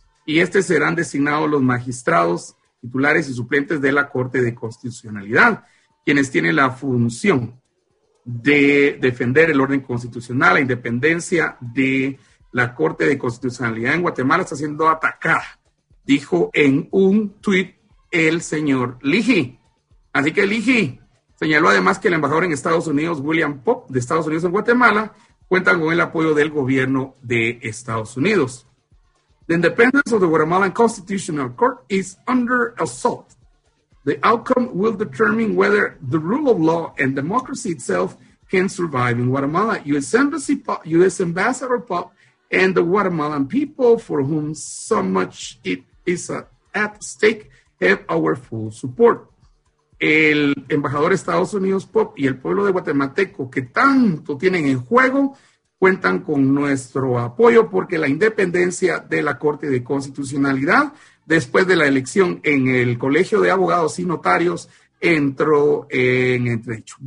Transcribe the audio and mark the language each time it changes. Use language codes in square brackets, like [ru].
[es] Y serán designados los magistrados titulares y suplentes de la Corte de Constitucionalidad, quienes tienen la función de defender el orden constitucional, la independencia de la Corte de Constitucionalidad en Guatemala está siendo atacada, dijo en un tuit el señor Ligi. Así que Ligi señaló además que el embajador en Estados Unidos, William Pope, de Estados Unidos en Guatemala, cuenta con el apoyo del gobierno de Estados Unidos. [en] The independence of the Guatemalan Constitutional Court is under assault. The outcome will determine whether the rule of law and democracy itself can survive in Guatemala. U.S. Embassy, U.S. Ambassador Pop, and the Guatemalan people, for whom so much it is at stake, have our full support. [es] El embajador de Estados Unidos, Pop, y el pueblo de guatemalteco que tanto tienen en juego cuentan con nuestro apoyo porque la independencia de la Corte de Constitucionalidad después de la elección en el Colegio de Abogados y Notarios entró en entredicho.